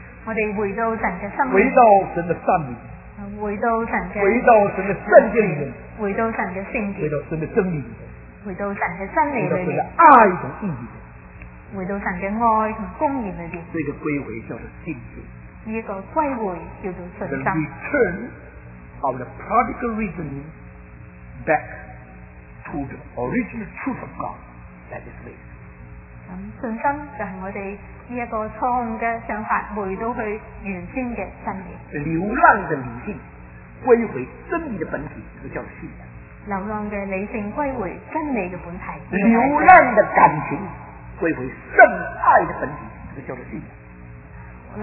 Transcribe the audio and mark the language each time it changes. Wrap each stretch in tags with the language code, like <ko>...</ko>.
<zh>我们回到神的生命，回到神的善理，回到神的，回到神的圣洁里面，回到神的圣洁，回到神的真理里面，回到神的真理里面，爱和义里面，回到神的爱和公义里面。这个归回叫做敬拜，一个归回叫做顺心。</zh> <en>The return of the prodigal reasoning back to the original truth of God, that is faith.</en> <zh>信心就是我们这个错误的想法回到去原先的真理。流浪的理性归回真理的本体，这个叫信仰。流浪的理性归回真理的本体。流浪的感情归回圣爱的本体，这个叫做信仰。</zh>